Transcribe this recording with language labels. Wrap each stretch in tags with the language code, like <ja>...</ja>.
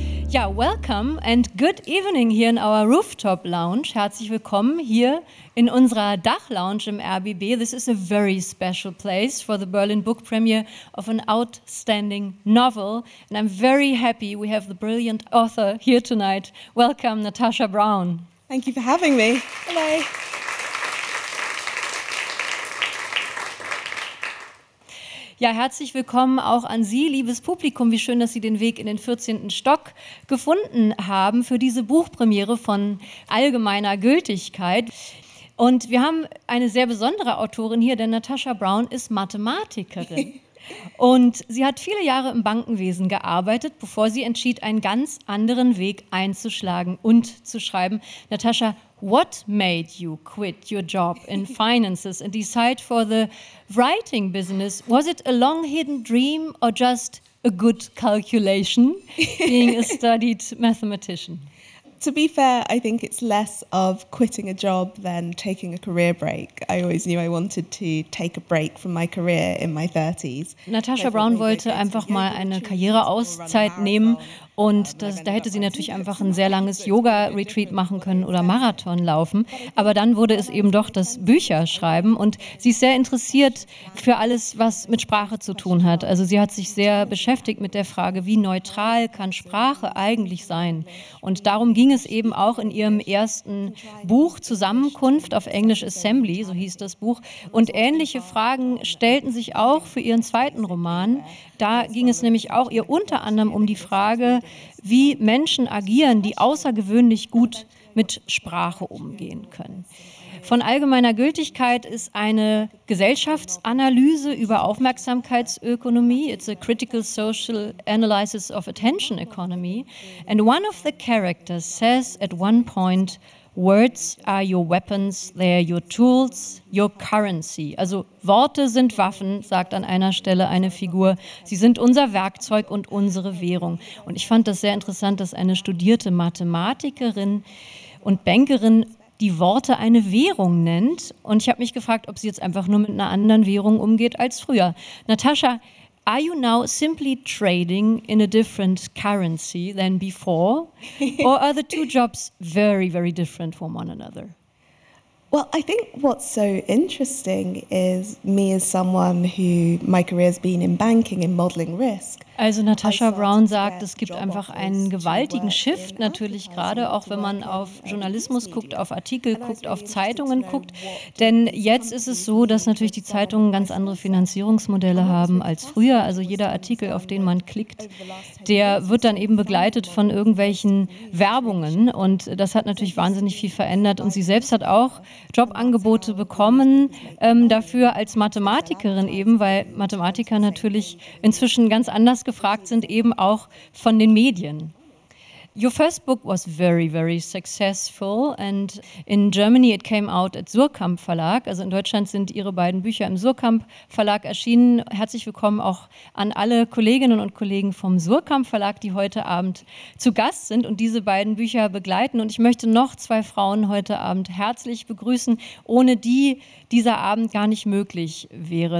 <en>Ja, welcome and good evening here in our rooftop lounge.</en> <de>Herzlich willkommen hier in unserer Dachlounge im RBB.</de> <en>This is a very special place for the Berlin Book Premiere of an outstanding novel. And I'm very happy we have the brilliant author here tonight. Welcome, Natasha Brown. Thank you for having me. Hello.</en> <de>Ja, herzlich willkommen auch an Sie, liebes Publikum. Wie schön, dass Sie den Weg in den 14. Stock gefunden haben für diese Buchpremiere von allgemeiner Gültigkeit. Und wir haben eine sehr besondere Autorin hier, denn Natasha Brown ist Mathematikerin. Und sie hat viele Jahre im Bankenwesen gearbeitet, bevor sie entschied, einen ganz anderen Weg einzuschlagen und zu schreiben.</de> <en>Natasha, what made you quit your job in finances and decide for the writing business? Was it a long hidden dream or just a good calculation being a studied mathematician? To be fair, I think it's less of quitting a job than taking a career break. I always knew I wanted to take a break from my career in my 30s.</en> <de>Natasha Brown wollte einfach mal eine Karriereauszeit nehmen und da hätte sie natürlich einfach ein sehr langes Yoga-Retreat machen können oder Marathon laufen. Aber dann wurde es eben doch das Bücherschreiben und sie ist sehr interessiert für alles, was mit Sprache zu tun hat. Also sie hat sich sehr beschäftigt mit der Frage, wie neutral kann Sprache eigentlich sein? Und darum ging es eben auch in ihrem ersten Buch Zusammenkunft, auf Englisch Assembly, so hieß das Buch. Und ähnliche Fragen stellten sich auch für ihren zweiten Roman. Da ging es nämlich auch ihr unter anderem um die Frage, wie Menschen agieren, die außergewöhnlich gut mit Sprache umgehen können. Von allgemeiner Gültigkeit ist eine Gesellschaftsanalyse über Aufmerksamkeitsökonomie.</de> <en>It's a critical social analysis of attention economy. And one of the characters says at one point, Words are your weapons, they are your tools, your currency.</en> <de>Also Worte sind Waffen, sagt an einer Stelle eine Figur. Sie sind unser Werkzeug und unsere Währung. Und ich fand das sehr interessant, dass eine studierte Mathematikerin und Bankerin die Worte eine Währung nennt. Und ich habe mich gefragt, ob sie jetzt einfach nur mit einer anderen Währung umgeht als früher.</de> <en>Natascha, are you now simply trading in a different currency than before? Or are the two jobs very, very different from one another? Well, I think what's so interesting is me as someone who, my career has been in banking and modeling risk.</en> <de>Also Natascha Brown sagt, es gibt einfach einen gewaltigen Shift, natürlich gerade auch, wenn man auf Journalismus guckt, auf Artikel guckt, auf Zeitungen guckt. Denn jetzt ist es so, dass natürlich die Zeitungen ganz andere Finanzierungsmodelle haben als früher. Also jeder Artikel, auf den man klickt, der wird dann eben begleitet von irgendwelchen Werbungen. Und das hat natürlich wahnsinnig viel verändert. Und sie selbst hat auch Jobangebote bekommen dafür als Mathematikerin eben, weil Mathematiker natürlich inzwischen ganz anders gefragt sind, eben auch von den Medien.</de> <en>Your first book was very, very successful and in Germany it came out at Surkamp Verlag.</en> <de>Also in Deutschland sind Ihre beiden Bücher im Surkamp Verlag erschienen. Herzlich willkommen auch an alle Kolleginnen und Kollegen vom Surkamp Verlag, die heute Abend zu Gast sind und diese beiden Bücher begleiten. Und ich möchte noch zwei Frauen heute Abend herzlich begrüßen, ohne die dieser Abend gar nicht möglich wäre.</de>